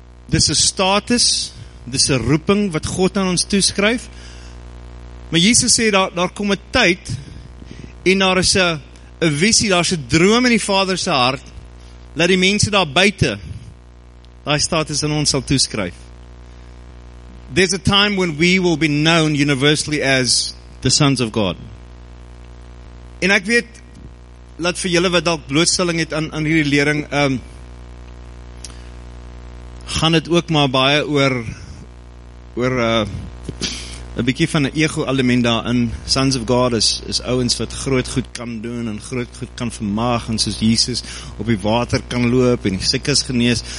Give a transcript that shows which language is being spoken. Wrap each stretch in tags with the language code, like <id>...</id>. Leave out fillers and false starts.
<af>Dis is status, dis is roeping wat God aan ons toeskryf. Maar Jesus sê, daar kom 'n tyd, en daar is 'n visie, daar is 'n droom in die Vader se hart, dat die mense daar buite, daai status aan ons sal toeskryf.</af> <en>There's a time when we will be known universally as the sons of God.</en> <af>En ek weet, laat vir julle wat dalk blootstelling het aan hierdie lering, gaan dit ook maar baie oor 'n bietjie van 'n ego element daarin. Sons of God is ouens wat groot goed kan doen en groot goed kan vermaag, en soos Jesus op die water kan loop en die siekes genees.</af>